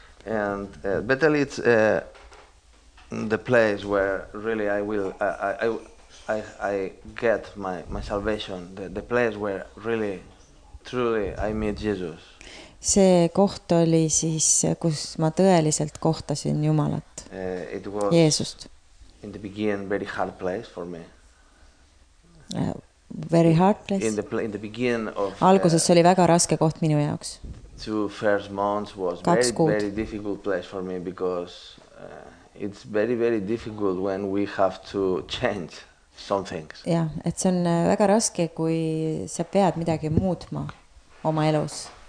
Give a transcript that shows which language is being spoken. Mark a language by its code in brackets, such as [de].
[en] And Betel it's the place where really I get my salvation, the place where really truly I meet Jesus. [et] See koht oli siis, kus ma tõeliselt kohtasin Jumalat, Jeesust. [en] In the beginning very hard place for me. Very hard place? In the beginning of... [et] Alguses oli väga raske koht minu jaoks. [en] 2 first months was very difficult place for me because it's very, very difficult when we have to change some things. [et] Ja, et see on väga raske, kui sa pead midagi muutma oma elus.